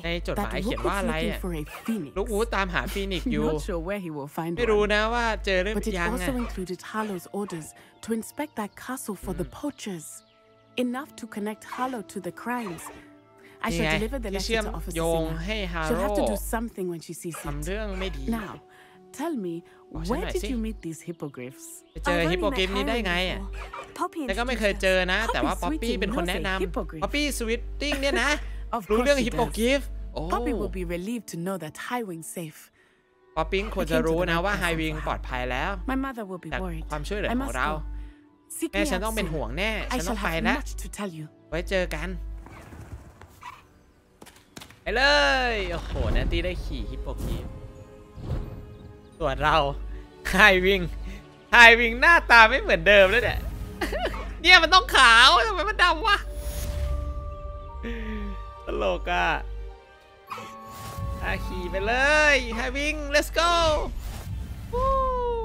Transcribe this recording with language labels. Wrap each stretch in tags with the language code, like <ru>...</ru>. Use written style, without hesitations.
<th>ในจดหมายเขียนว่าอะไรลูกอู๋ตามหาฟีนิกซ์อยู่ ไม่รู้นะว่าเจอหรือยังไง</th> <en>But it also included Harlow's orders to inspect that castle for the poachers. Enough to connect Harlow to the crimes. I should deliver the letter to Officer Singer. Hey, She'll have to do something when she sees it. Now, tell me, where did you meet these hippogriffs?</en> <th>เจอฮิปโปกริฟนี้ได้ไงแล้วก็ไม่เคยเจอนะแต่ว่าป๊อปปี้เป็นคนแนะนำป๊อปปี้สวิตติ้งเนี่ยนะรู้เรื่องฮิปโปกริฟ</th> <en>ป๊อปปี้ will be relieved to know that Highwing's safe.</en> <th>ป๊อปปี้ควรจะรู้นะว่าไฮวิงปลอดภัยแล้ว แต่ ความช่วยเหลือของเราแม่ฉันต้องเป็นห่วงแน่ฉันต้องไปนะไว้เจอกันไปเลยโอ้โหแนตตี้ได้ขี่ฮิปโปกริฟส่วนเราไฮวิงหน้าตาไม่เหมือนเดิมแล้วเนี่ยเนี่ยมันต้องขาวทำไมมันดำวะตลกอ่ะขี่ไปเลยไฮวิง</th> <en>let's go Woo!</en>